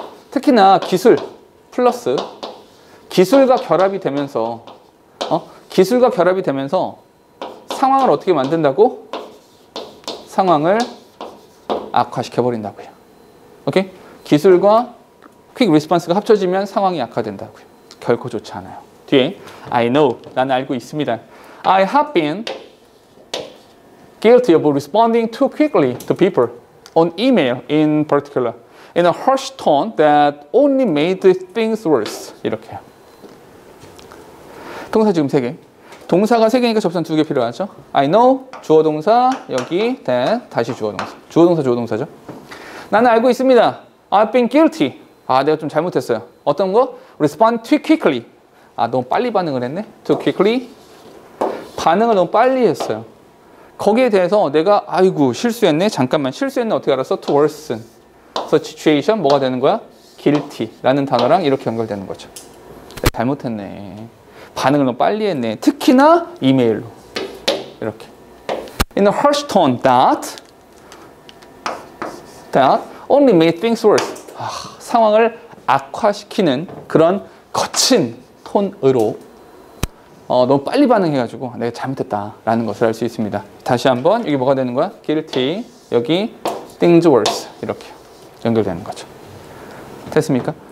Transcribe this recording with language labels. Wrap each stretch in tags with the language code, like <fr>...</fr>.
<ko>특히나 기술 플러스 기술과 결합이 되면서 기술과 결합이 되면서 상황을 어떻게 만든다고? 상황을 악화시켜버린다고요. 오케이? 기술과 퀵 리스폰스가 합쳐지면 상황이 악화된다고요. 결코 좋지 않아요. 뒤에</ko> <en>I know,</en> <ko>나는 알고 있습니다.</ko> <en>I have been guilty of responding too quickly to people on email in particular in a harsh tone that only made things worse.</en> <ko>이렇게 동사 지금 세 개. 동사가 세 개니까 접선 두 개 필요하죠. I know, 주어 동사, 여기 then, 다시 주어 동사. 주어 동사, 주어 동사죠. 나는 알고 있습니다.</ko> <en>I've been guilty.</en> <ko>아, 내가 좀 잘못했어요. 어떤 거?</ko> <en>Respond too quickly.</en> <ko>아, 너무 빨리 반응을 했네.</ko> <en>Too quickly.</en> <ko>반응을 너무 빨리 했어요. 거기에 대해서 내가 아이고, 실수했네. 잠깐만, 실수했네. 어떻게 알았어?</ko> <en>To worsen. So situation,</en> <ko>뭐가 되는 거야? Guilty 라는 단어랑 이렇게 연결되는 거죠. 잘못했네. 반응을 너무 빨리 했네. 특히나 이메일로. 이렇게.</ko> <en>In a harsh tone that only made things worse.</en> <ko>아, 상황을 악화시키는 그런 거친 톤으로 너무 빨리 반응해가지고 내가 잘못했다라는 것을 알 수 있습니다. 다시 한번 여기 뭐가 되는 거야? Guilty. 여기</ko> <en>things worse.</en> <ko>이렇게 연결되는 거죠. 됐습니까?</ko>